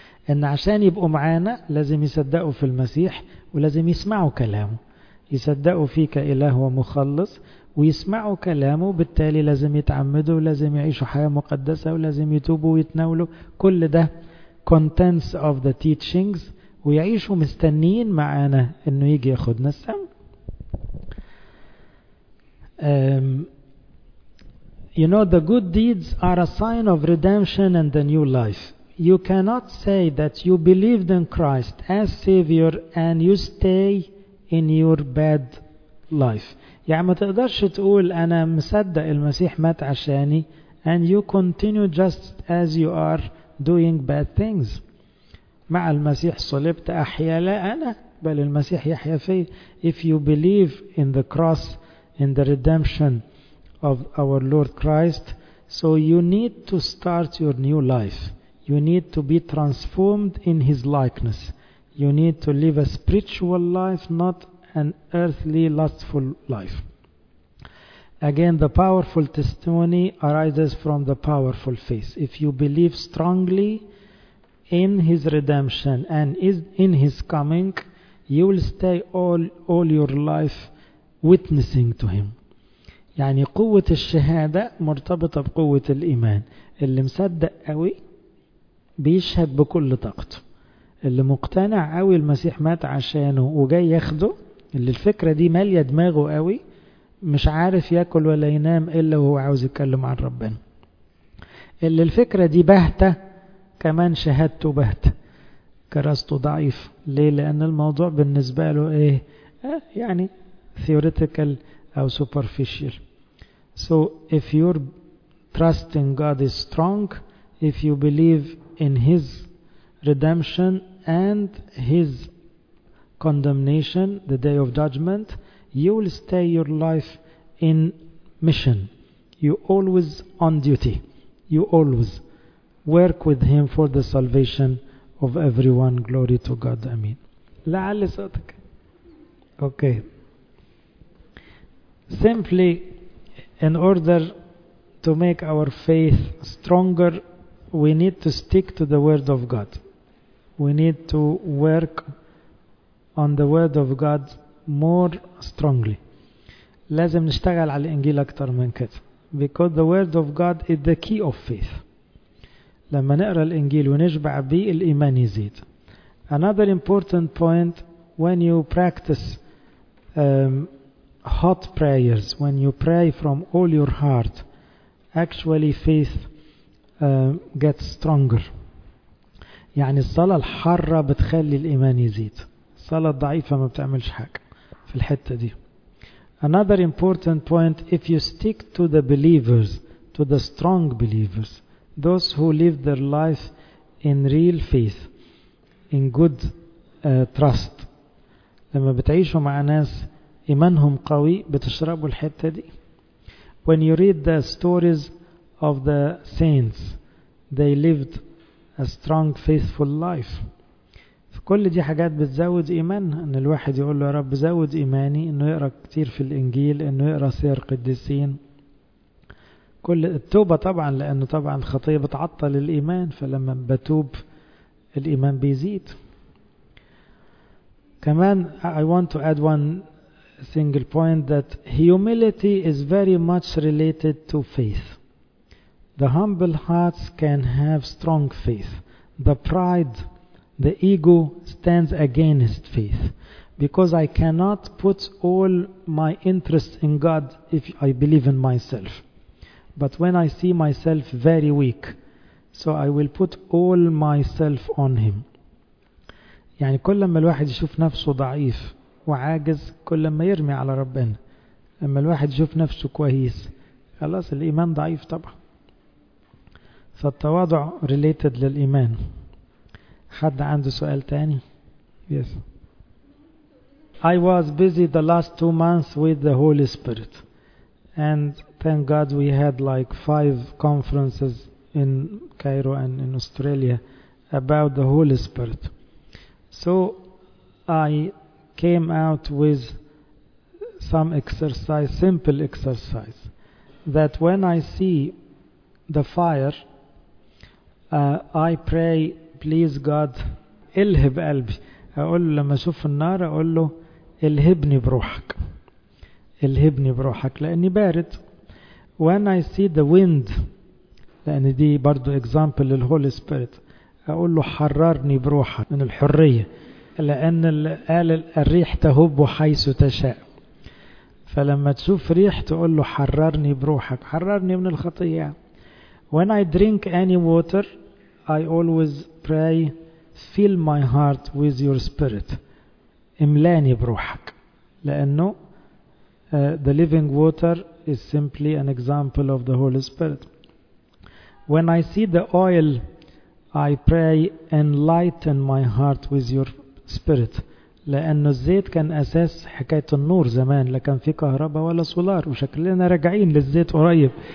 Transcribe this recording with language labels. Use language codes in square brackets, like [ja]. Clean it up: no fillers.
[ar] ان عشان يبقوا معانا لازم يصدقوا في المسيح، ولازم يسمعوا كلامه، يصدقوا فيك إله ومخلص ويسمعوا كلامه، بالتالي لازم يتعمدوا، لازم يعيشوا حياة مقدسة، ولازم يتوبوا ويتناولوا كل ده [en] contents of the teachings، [ar] ويعيشوا مستنيين معانا انه يجي ياخدنا السم. [en] You know, the good deeds are a sign of redemption and the new life. You cannot say that you believed in Christ as Savior and you stay in your bad life. [ar] يعني ما تقدرش تقول انا مصدق المسيح مات عشاني [en] and you continue just as you are doing bad things. [ar] مع المسيح صلبت أحيا لا أنا بل المسيح يحيا فيه. [en] If you believe in the cross, in the redemption of our Lord Christ, so you need to start your new life. You need to be transformed in His likeness. You need to live a spiritual life, not an earthly lustful life. Again, the powerful testimony arises from the powerful faith. If you believe strongly in his redemption and is in his coming, you will stay all your life witnessing to him. [ar] يعني قوة الشهادة مرتبطة بقوة الإيمان. اللي مصدق قوي بيشهد بكل طاقته. اللي مقتنع قوي المسيح مات عشانه وجاي ياخده، اللي الفكرة دي مالية دماغه قوي، مش عارف يأكل ولا ينام إلا وهو عاوز يتكلم عن ربنا. اللي الفكرة دي بهتة كمان شهادته بهتة، كراسته ضعيف. ليه؟ لأن الموضوع بالنسبة له إيه؟ يعني theoretical أو superficial. [en] So if your trust in God is strong, if you believe in His redemption and His condemnation, the day of judgment, you will stay your life in mission. You always on duty. You always work with Him for the salvation of everyone. Glory to God. Amen. [ar] لعل صوتك. [en] Okay. Simply, in order to make our faith stronger, we need to stick to the Word of God. We need to work on the Word of God more strongly. [ar] لازم نشتغل على الإنجيل أكتر من كده. [en] Because the Word of God is the key of faith. [ar] لما نقرأ الإنجيل ونشبع به، الإيمان يزيد. [en] Another important point, when you practice hot prayers, when you pray from all your heart, actually faith gets stronger. [ar] يعني الصلاة الحارة بتخلي الإيمان يزيد. الصلاة الضعيفة ما بتعملش حاجة في الحتة دي. [en] Another important point, if you stick to the believers, to the strong believers, those who live their life in real faith, in good trust. [ar] لما بتعيشوا مع ناس إيمانهم قوي بتشربوا الحتة دي. [en] When you read the stories of the saints, they lived a strong faithful life. [ar] كل دي حاجات بتزود إيمان. أن الواحد يقول له يا رب زود إيماني، أنه يقرأ كتير في الإنجيل، أنه يقرأ سير قديسين. كل التوبة طبعا، لأنه طبعا الخطية بتعطل الإيمان، فلما بتوب الإيمان بيزيد. [en] كمان I want to add one single point, that humility is very much related to faith. The humble hearts can have strong faith. The pride, the ego stands against faith. Because I cannot put all my interest in God if I believe in myself. But when I see myself very weak, so I will put all myself on him. [ar] يعني كل ما الواحد يشوف نفسه ضعيف وعاجز، كل ما يرمي على ربنا. لما الواحد يشوف نفسه كويس، خلاص الإيمان ضعيف طبعا. فالتواضع related للإيمان. حد عنده سؤال تاني؟ [en] Yes. I was busy the last 2 months with the Holy Spirit. And thank God we had like 5 conferences in Cairo and in Australia about the Holy Spirit. So I came out with some exercise, simple exercise, that when I see the fire, I pray, please God, [ar] إلهب قلبي. أقول له لما أشوف النار أقول له إلهبني بروحك، إلهبني بروحك لأني بارد. [en] When I see the wind، [ar] لأن دي برضو [en] example للهولي spirit, [ar] أقول له حررني بروحك من الحرية، لأن قال الريح تهب حيث تشاء. فلما تشوف ريح تقول له حررني بروحك، حررني من الخطية. [en] When I drink any water، I always pray, fill my heart with your spirit. [ar] املاني بروحك. لأنه [en] the living water is simply an example of the Holy Spirit. When I see the oil, I pray, enlighten my heart with your spirit. [ar] لأنه الزيت كان أساس حكاية النور زمان، لكان في كهرباء ولا سولار، وشكلنا راجعين للزيت قريب.